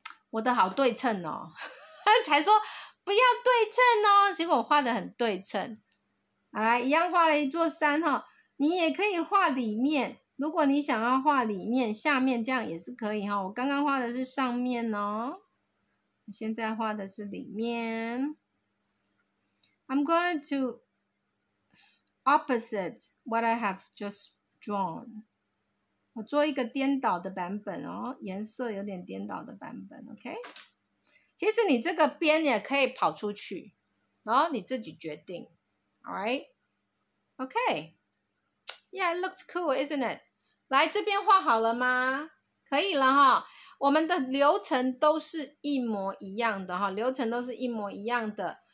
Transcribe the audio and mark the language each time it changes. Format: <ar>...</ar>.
<zh>我的好对称哦，才说。不要对称哦，结果我画得很对称。好来，一样画了一座山哦，你也可以画里面，如果你想要画里面，下面这样也是可以哦。我刚刚画的是上面哦，现在画的是里面。</zh> <en>I'm going to opposite what I have just drawn。</en> <zh>我做一个颠倒的版本哦，颜色有点颠倒的版本 ，OK。其实你这个边也可以跑出去，然后你自己决定 ，</zh> <en>alright, okay, yeah, it looks cool, isn't it?</en> <zh>来这边画好了吗？可以了哈，我们的流程都是一模一样的哈，流程都是一模一样的。</zh>